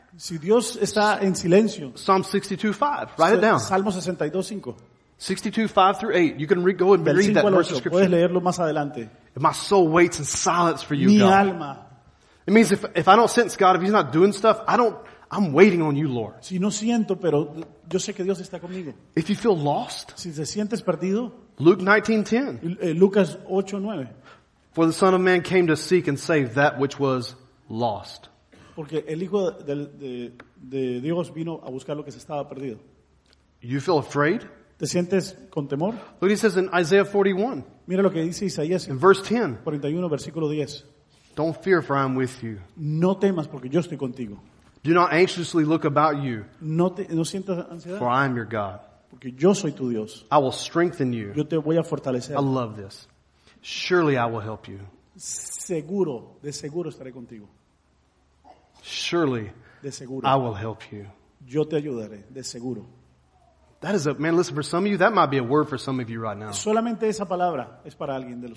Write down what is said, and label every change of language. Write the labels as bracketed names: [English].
[Spanish] si Dios está en silencio, [English] Psalm 62:5. Write it down. [Spanish] Salmo 62:5. [English] 62:5-8. You can go and read that verse of scripture. [Spanish] Puedes leerlo más adelante. [English] If my soul waits in silence for you, [Spanish] mi [English] God. [Spanish] Mi alma. [English] It means if I don't sense God, if He's not doing stuff, I'm waiting on you, Lord. [Spanish] Si no siento, pero yo sé que Dios está conmigo. [English] If you feel lost, [Spanish] si te sientes perdido, [English] Luke 19:10. [Spanish] Lucas 8:9. [English] For the Son of Man came to seek and save that which was lost. [Spanish] Porque el Hijo de Dios vino a buscar lo que se estaba perdido. [English] You feel afraid? [Spanish] ¿Te sientes con temor? [English] Look what he says in Isaiah 41. [Spanish] Mira lo que dice Isaías. [English] In verse 10. [Spanish] 41, versículo 10. [English] Don't fear, for I am with you. [Spanish] No temas, porque yo estoy contigo. [English] Do not anxiously look about you. [Spanish] No sientas ansiedad. [English] For I am your God. [Spanish] Porque yo soy tu Dios. [English] I will strengthen you. [Spanish] Yo te voy a fortalecer. [English] I love this. Surely I will help you. [Spanish] Seguro, de seguro estaré contigo. [English] Surely. [Spanish] De seguro. [English] I will help you. [Spanish] Yo te ayudaré, de seguro. [English] That is a man. Listen, for some of you, that might be a word for some of you right now. [Spanish] Solamente esa palabra es para alguien de los.